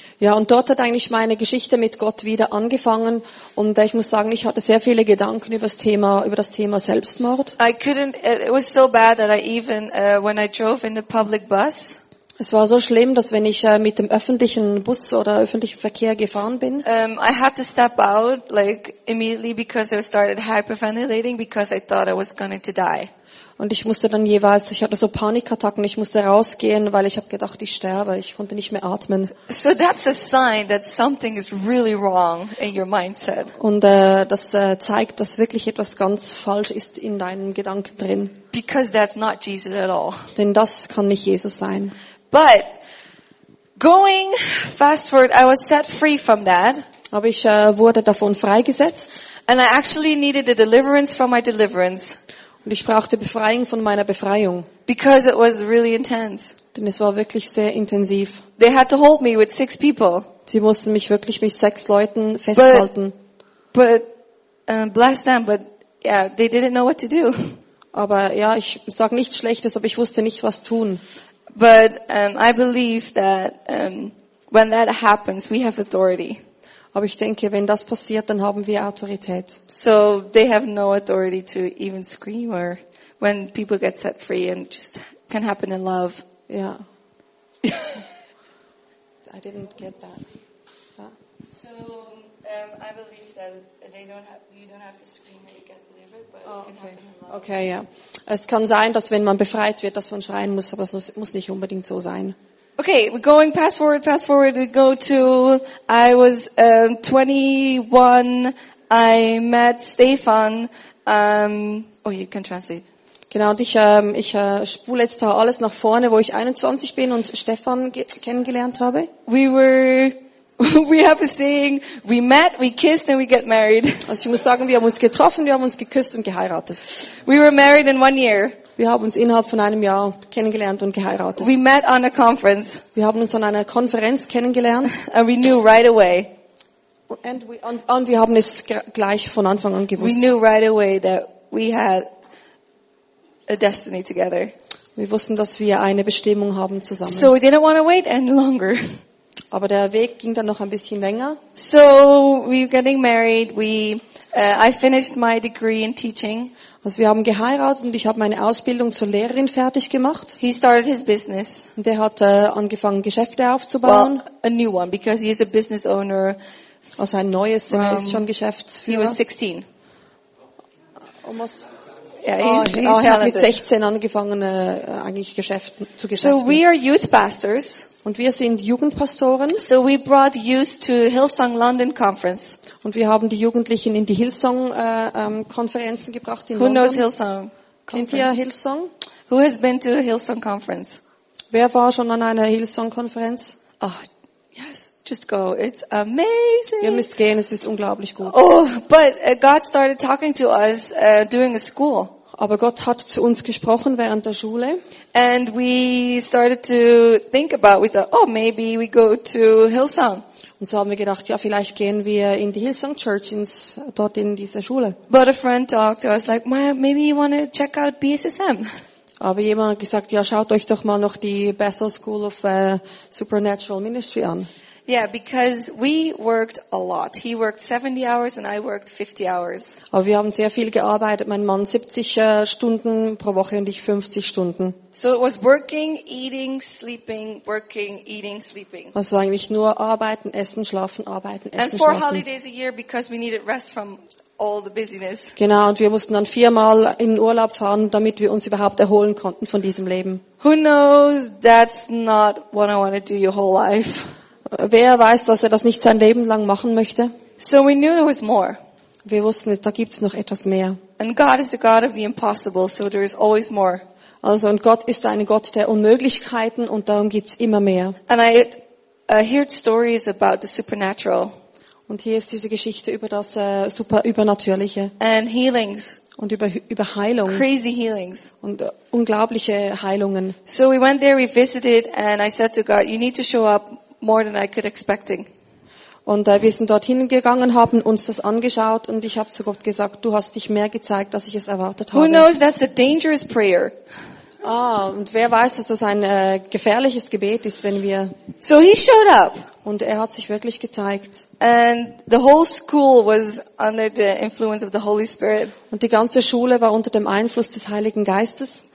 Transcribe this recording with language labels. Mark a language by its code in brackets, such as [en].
[de] Ja, und dort hat eigentlich meine Geschichte mit Gott wieder angefangen und ich muss sagen, ich hatte sehr viele Gedanken über das Thema Selbstmord. [en] I couldn't, it was so bad that I even when I drove in the public bus. [de] Es war so schlimm, dass wenn ich mit dem öffentlichen Bus oder öffentlichen Verkehr gefahren bin, [en] I had to step out like immediately because I started hyperventilating because I thought I was going to die. [de] Und ich musste dann jeweils, ich hatte so Panikattacken, ich musste rausgehen, weil ich habe gedacht, ich sterbe, ich konnte nicht mehr atmen. [en] So that's a sign that something is really wrong in your mindset. [de] Und das zeigt, dass wirklich etwas ganz falsch ist in deinen Gedanken drin. [en] Because that's not Jesus at all. [de] Denn das kann nicht Jesus sein. [en] But going fast forward, I was set free from that. [de] Aber ich wurde davon freigesetzt. [en] And I actually needed a deliverance from my deliverance. [de] Und ich brauchte Befreiung von meiner Befreiung. [en] Because it was really intense. [de] Denn es war wirklich sehr intensiv. [en] They had to hold me with six people. [de] Sie mussten mich wirklich mit sechs Leuten festhalten. [en] Bless them, but yeah, they didn't know what to do. [de] Aber ja, ich sage nichts Schlechtes, aber ich wusste nicht, was tun. [en] But I believe that when that happens, we have authority. Aber ich denke, wenn das passiert, dann haben wir Autorität. So they have no authority to even scream or when people get set free and just can happen in love. Yeah. I didn't get that. Yeah. So I believe that you don't have to scream or you get delivered, but it can happen in love. Okay, yeah. [de] Es kann sein, dass wenn man befreit wird, dass man schreien muss, aber es muss nicht unbedingt so sein. [en] Okay, we're going fast forward, we go to, I was 21, I met Stefan, you can translate. [de] Genau, und ich spule jetzt da alles nach vorne, wo ich 21 bin und Stefan kennengelernt habe. [en] We have a saying, we met, we kissed and we get married. [de] Also ich muss sagen, wir haben uns getroffen, wir haben uns geküsst und geheiratet. [en] We were married in 1 year. [de] Wir haben uns innerhalb von einem Jahr kennengelernt und geheiratet. [en] We met on a conference. [de] Wir haben uns an einer Konferenz kennengelernt. [en] And we knew right away. [de] Und wir haben es gleich von Anfang an gewusst. [en] We knew right away that we had a destiny together. [de] Wir wussten, dass wir eine Bestimmung haben zusammen. [en] So we didn't want to wait any longer. [de] Aber der Weg ging dann noch ein bisschen länger. [en] So we were getting married. I finished my degree in teaching. [de] Also wir haben geheiratet und ich habe meine Ausbildung zur Lehrerin fertig gemacht. [en] He started his business. [de] Und er hat angefangen, Geschäfte aufzubauen. [en] Well, a new one, because he is a business owner. [de] Also ein neues, er ist schon Geschäftsführer. [en] He was 16. Almost. Yeah, he's [de] er hat mit 16 angefangen, eigentlich Geschäfte zu geschäften. [en] So we are youth pastors. [de] Und wir sind Jugendpastoren. [en] So we brought youth to Hillsong London Conference. [de] Und wir haben die Jugendlichen in die Hillsong Konferenzen gebracht in [en] Who London. Knows Hillsong? [de] Kennt ihr Hillsong? [en] Who has been to a Hillsong Conference? [de] Wer war schon an einer Hillsong Konferenz? [en] Oh, yes. Just go. It's amazing. [de] Ihr müsst gehen, es ist unglaublich gut. [en] Oh, but God started talking to us during a school. [de] Aber Gott hat zu uns gesprochen während der Schule. [en] And we started to think about, we thought, oh, maybe we go to Hillsong. [de] Und so haben wir gedacht, ja, vielleicht gehen wir in die Hillsong Church, dort in dieser Schule. [en] But a friend talked to us like, maybe you want to check out BSSM. [de] Aber jemand hat gesagt, ja, schaut euch doch mal noch die Bethel School of Supernatural Ministry an. [en] Yeah, because we worked a lot. He worked 70 hours and I worked 50 hours. [de] Aber wir haben sehr viel gearbeitet. Mein Mann 70 Stunden pro Woche und ich 50 Stunden. [en] So it was working, eating, sleeping, working, eating, sleeping. [de] Also eigentlich nur arbeiten, essen, schlafen, arbeiten, essen, [en] and four [de] schlafen. [en] Holidays a year because we needed rest from all the busyness. [de] Genau, und wir mussten dann viermal in Urlaub fahren, damit wir uns überhaupt erholen konnten von diesem Leben. [en] Who knows, that's not what I want to do your whole life. [de] Wer weiß, dass er das nicht sein Leben lang machen möchte? [en] So we knew there was more. [de] Wir wussten, da gibt's noch etwas mehr. [en] And God is the God of the impossible, so there is always more. [de] Also, und Gott ist ein Gott der Unmöglichkeiten und darum gibt's immer mehr. [en] And I heard stories about the supernatural. [de] Und hier ist diese Geschichte über das super Übernatürliche. [en] And healings. [de] Und über Heilung. [en] Crazy healings. [de] Und unglaubliche Heilungen. [en] So we went there, we visited, and I said to God, you need to show up more than I could expecting. [de] Und wir sind dorthin gegangen, haben uns das angeschaut und ich habe zu Gott gesagt, du hast dich mehr gezeigt, als ich es erwartet habe. [en] Who knows, that's a dangerous prayer. [de] Ah, und wer weiß, dass das ein gefährliches Gebet ist, wenn wir. [en] So he showed up. [de] Und er hat sich wirklich gezeigt. [en] And the whole school was under the influence of the Holy Spirit. [de] Und die ganze Schule war unter dem Einfluss des Heiligen Geistes.